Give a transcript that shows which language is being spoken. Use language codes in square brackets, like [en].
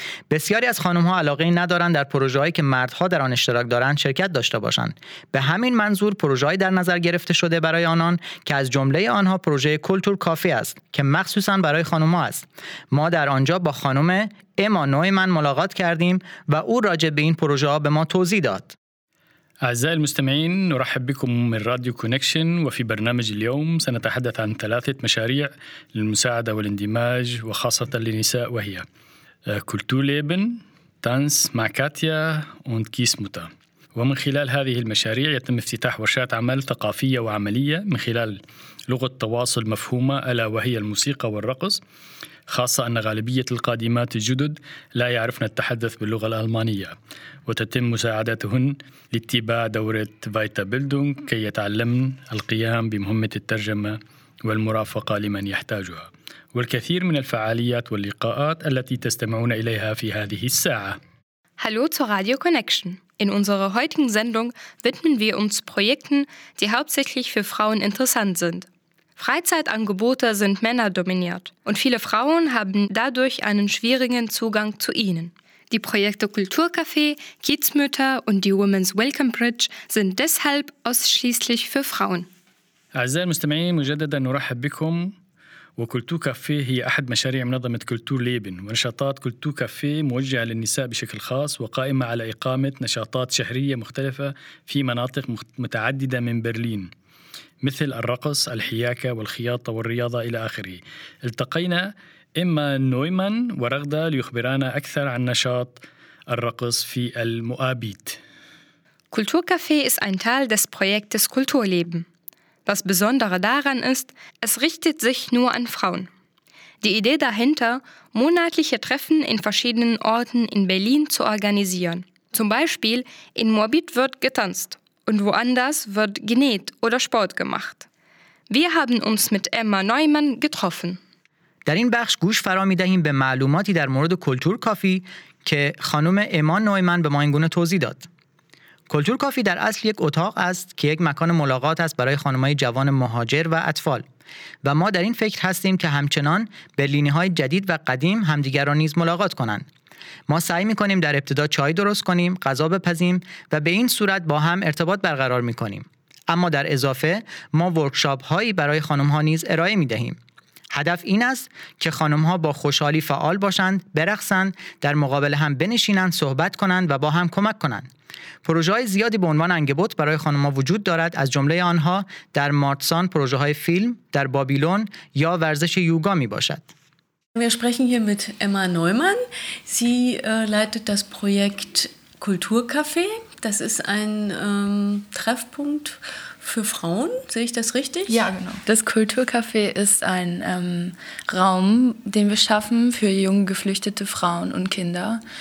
[fa] بسیاری از خانم‌ها علاقه‌ای ندارند در پروژه‌هایی که مردها در آن اشتراک دارند شرکت داشته باشند. به همین منظور پروژه‌هایی در نظر گرفته شده برای آنان که از جمله آنها پروژه کلتور کافی است که مخصوصاً برای خانم‌ها است. ما در آنجا با خانم اما نویمن ملاقات کردیم و او راجع به این پروژه‌ها به ما توضیح داد. [ar] أعزائي المستمعين، نرحب بكم من راديو كونكشن، وفي برنامج اليوم سنتحدث عن ثلاثة مشاريع للمساعدة والاندماج وخاصة للنساء، وهي كولتورليبن، تانس مع كاتيا وند كيسموتا. ومن خلال هذه المشاريع يتم افتتاح ورشات عمل ثقافية وعملية من خلال لغة تواصل مفهومة، ألا وهي الموسيقى والرقص، خاصة أن غالبية القادمات الجدد لا يعرفن التحدث باللغة الألمانية، وتتم مساعدتهن لاتباع دورة فايتا بيلدونغ كي يتعلمن القيام بمهمة الترجمة والمرافقة لمن يحتاجها، والكثير من الفعاليات واللقاءات التي تستمعون إليها في هذه الساعة. [de] Hallo zu Radio Connection. In unserer heutigen Sendung widmen wir uns Projekten, die hauptsächlich für Frauen interessant sind. Freizeitangebote sind männerdominiert und viele Frauen haben dadurch einen schwierigen Zugang zu ihnen. Die Projekte Kulturcafé, Kiezmütter und die Women's Welcome Bridge sind deshalb ausschließlich für Frauen. [ar] أعزائي المستمعين، مجددا نرحب بكم. وكولتوركافي هي أحد مشاريع منظمة كولتور ليبن، ونشاطات كولتوركافي موجهة للنساء بشكل خاص وقائمة على إقامة نشاطات شهرية مختلفة في مناطق متعددة من برلين، مثل الرقص، الحياكة والخياطة والرياضة إلى آخره. التقينا إما نويمان ورغدة ليخبرانا أكثر عن نشاط الرقص في المؤابيد. [de] كولتوركافي ist ein Teil des Projektes Kulturleben. Das Besondere daran ist, es richtet sich nur an Frauen. Die Idee dahinter, monatliche Treffen in verschiedenen Orten in Berlin zu organisieren. Zum Beispiel in Moabit wird getanzt und woanders wird genäht oder Sport gemacht. Wir haben uns mit Emma Neumann getroffen. [fa] در این بخش گوش فرا می دهیم به معلوماتی در مورد کلتور کافی که خانم اما نویمن به ما این گونه توضیح داد. کلتور کافی در اصل یک اتاق است که یک مکان ملاقات است برای خانمهای جوان مهاجر و اطفال، و ما در این فکر هستیم که همچنان برلینی های جدید و قدیم همدیگر را نیز ملاقات کنند. ما سعی می کنیم در ابتدا چای درست کنیم، غذا بپزیم و به این صورت با هم ارتباط برقرار می کنیم. اما در اضافه ما ورکشاپ هایی برای خانم ها نیز ارائه می دهیم. هدف این است که خانم ها با خوشحالی فعال باشند، برقصند، در مقابل هم بنشینند، صحبت کنند و با هم کمک کنند. پروژه های زیادی به عنوان انگبوت برای خانم ها وجود دارد، از جمله آنها در مارتسان پروژه های فیلم، در بابیلون یا ورزش یوگا می باشد. [de] Wir sprechen hier mit Emma Neumann. Sie leitet das Projekt Kulturcafé. Das ist ein Treffpunkt für Frauen. Sehe ich das richtig? Ja, genau. Das Kulturcafé ist ein Raum, den wir schaffen für junge geflüchtete Frauen und Kinder.